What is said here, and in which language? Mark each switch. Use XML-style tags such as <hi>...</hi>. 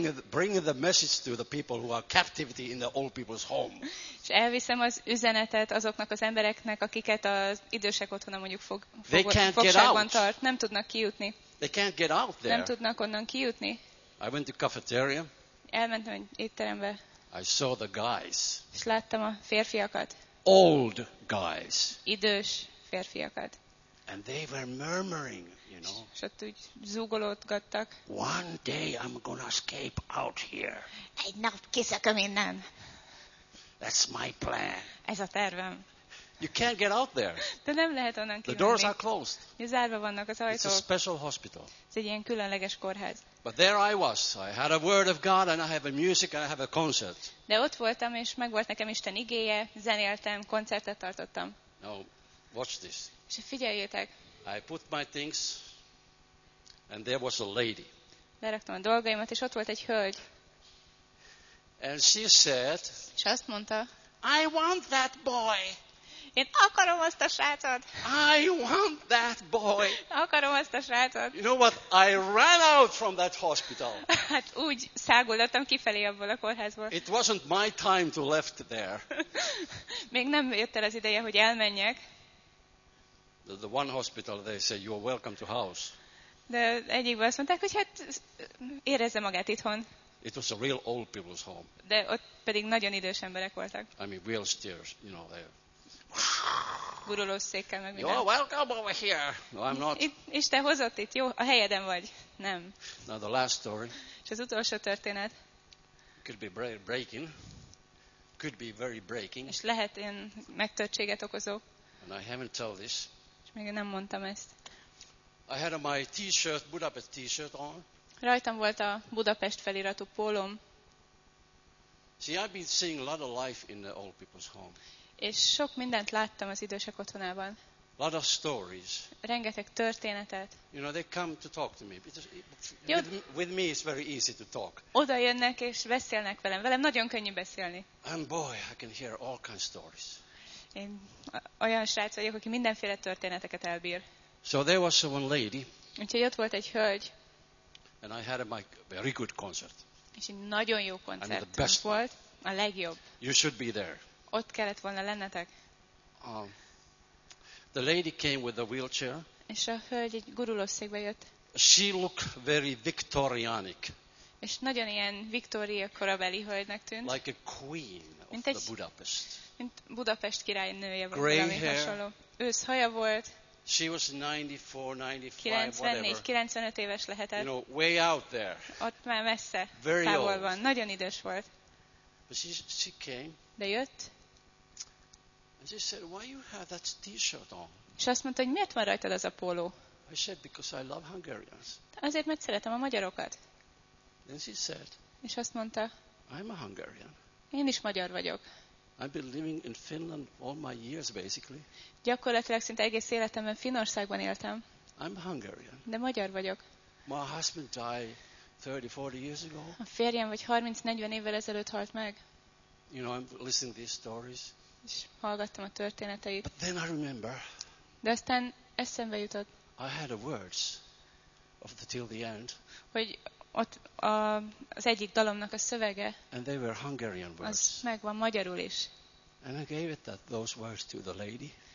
<en>Bringing the message to the people who are captivity in the old people's home.</en> <hu>És elviszem az üzenetet azoknak az embereknek, akiket az idősek otthona mondjuk fogságban tart, nem tudnak kijutni.</hu> <en>They can't get out there.</en> <hu>Nem tudnak onnan kijutni.</hu> <en>I went to cafeteria.</en> <hu>Elmentem egy étterembe.</hu> <en>I saw the guys.</en> <hu>És láttam a férfiakat.</hu> <en>Old guys.</en> <hu>Idős férfiakat.</hu> <en>And they were murmuring, you know.</en> <hu>És ott úgy zúgolódgattak.</hu> <en>One day I'm gonna escape out here.</en> <hu>Egy nap kiszökök innen.</hu> <en>That's my plan.</en> <hu>Ez a tervem.</hu> <en>You can't get out there.</en> <hu>De nem lehet onnan kimenni.</hu> <en>The doors are closed.</en> <hu>Zárva vannak az ajtók.</hu> <en>It's a special hospital.</en> <hu>Ez egy ilyen különleges kórház.</hu> <en>But there I was. I had a word of God and I have a music and I have a concert.</en> <hu>De ott voltam és megvolt nekem Isten igéje, zenéltem, koncertet tartottam.</hu> <en>No, watch this.</en> <hu>És figyeljétek.</hu> <en>I put my things and there was a lady.</en> <hu>Leraktam a dolgaimat és ott volt egy hölgy.</hu> <en>And she said.</en> <hu>És azt mondta.</hu> <en>I want that boy.</en> <hu>Én akarom azt a srácot.</hu> <en>I want that boy.</en> <hu>Akarom azt a srácot.</hu> <en>You know what? I ran out from that hospital.</en> <hu>Hát úgy száguldottam kifelé abból a kórházból.</hu> <en>It wasn't my time to left there.</en> <hu>Még nem jött el az ideje, hogy elmenjek.</hu> <en>The one hospital they say you are welcome to house.</en> <hu>De egyikben azt mondták, hogy hát érezze magát itthon.</hu> <en>It was a real old people's home.</en> <hu>De ott pedig nagyon idős emberek voltak.</hu> <en>I mean wheelchairs, you know, they.</en> <hu>Gurulószékkel meg</hu> <en>minden. You're welcome over here. No, I'm not.</en> <hu>És te hozott itt, jó, a helyeden vagy. Nem.</hu> <en>Now the last story.</en> <hu>És az utolsó történet.</hu> <en>Could be breaking. Could be very breaking.</en> <hu>És lehet ilyen megtörtséget okozó.</hu> <en>And I haven't told this.</en> <hu>És még nem mondtam ezt.</hu> <en>I had my t-shirt, Budapest t-shirt on.</en> <hu>Rajtam volt a Budapest feliratú pólom.</hu> <en>See, I've been seeing a lot of life in the old people's home.</en> <hu>És sok mindent láttam az idősek otthonában.</hu> <en>lot of stories.</en> <hu>Rengeteg történetet.</hu> <en>You know, they come to talk to me. With me it's very easy to talk.</en> <hu>Oda jönnek és beszélnek velem. Velem nagyon könnyű beszélni.</hu> <en>And boy, I can hear all kinds of stories.</en> <hu>Én olyan srác vagyok, aki mindenféle történeteket elbír.</hu> <en>So there was one lady.</en> <hu>Úgyhogy ott volt egy hölgy.</hu> <en>And I had a very good concert.</en> <hu>És egy nagyon jó koncert volt. A legjobb.</hu> <en>You should be there.</en> <hu>Ott kellett volna lennetek.</hu> <en>The lady came with a wheelchair.</en> <hu>És a hölgy egy gurulószékbe jött.</hu> <en>She looked very Victorianic.</en> <hu>És nagyon ilyen Victoria korabeli hölgynek tűnt.</hu> <en>Like a queen of the Budapest.</en> <hu>Mint Budapest királynője volt.</hu> <en>Gray</en> <hu>hair. Ősz haja volt.</hu> <en>She was 94, 95</en> <hu>éves lehetett.</hu> <en>You know, way out there.</en> <hu>Ott már messze.</hu> <en>Very</en> <hu>távol</hu> <en>old.</en> <hu>Van. Nagyon idős volt.</hu> <en>But she came.</en> <hu>De jött.</hu> <en>And she said, "Why you have that t-shirt on?"</en> <hu>És azt mondta, hogy miért van rajtad az a póló?</hu> <en>I said, "Because I love Hungarians."</en> <hu>Azért, mert szeretem a magyarokat.</hu> <en>And she said,</en> <hu>és azt mondta,</hu> <en>"I'm a Hungarian."</en> <hu>Én is magyar vagyok.</hu> <en>I've been living in Finland all my years, basically.</en> <hu>Gyakorlatilag szinte egész életemben Finnországban éltem.</hu> <en>I'm Hungarian.</en> <hu>De magyar vagyok.</hu> <en>My husband died 30-40 years ago.</en> <hu>A férjem vagy 30-40 évvel ezelőtt halt meg.</hu> <en>You know, I'm listening to these stories.</en> <hu>És hallgattam a történeteit.</hu> <en>But then I remember.</en> <hu>De aztán eszembe jutott.</hu> <en>I had a words of the till the end.</en> <hu>Hogy ott az egyik dalomnak a szövege.</hu> <en>And they were Hungarian words.</en> <hu>Az megvan magyarul is.</hu> <en>And I gave it that those words to the lady.</en>